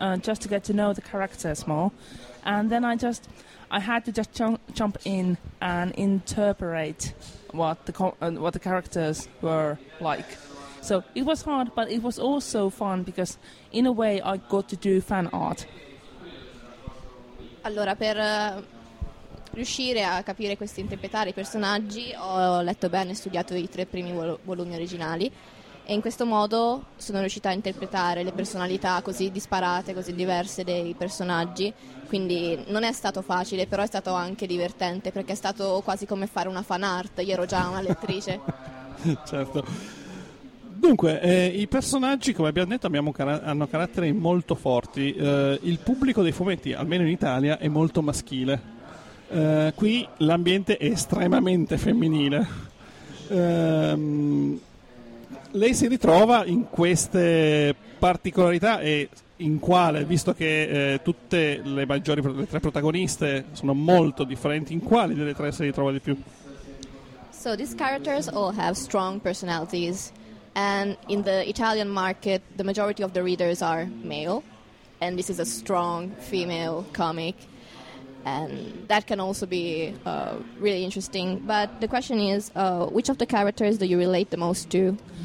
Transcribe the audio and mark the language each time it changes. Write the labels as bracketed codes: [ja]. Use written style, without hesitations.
[en] Just to get to know the characters more, and then I had to jump in and interpret what the characters were like. So it was hard, but it was also fun because in a way I got to do fan art. [it] Allora, per riuscire a capire questi, interpretare i personaggi, ho letto bene e studiato i tre primi volumi originali e in questo modo sono riuscita a interpretare le personalità così disparate, così diverse dei personaggi. Quindi non è stato facile, però è stato anche divertente perché è stato quasi come fare una fan art. Io ero già una lettrice. Certo. Dunque, i personaggi, come abbiamo detto, hanno caratteri molto forti. Il pubblico dei fumetti, almeno in Italia, è molto maschile. Qui l'ambiente è estremamente femminile. Lei si ritrova in queste particolarità e in quale, visto che tutte le maggiori, le tre protagoniste sono molto differenti, in quale delle tre si ritrova di più? [en] So these characters all have strong personalities. And in the Italian market, the majority of the readers are male, and this is a strong female comic, and that can also be really interesting. But the question is, which of the characters do you relate the most to?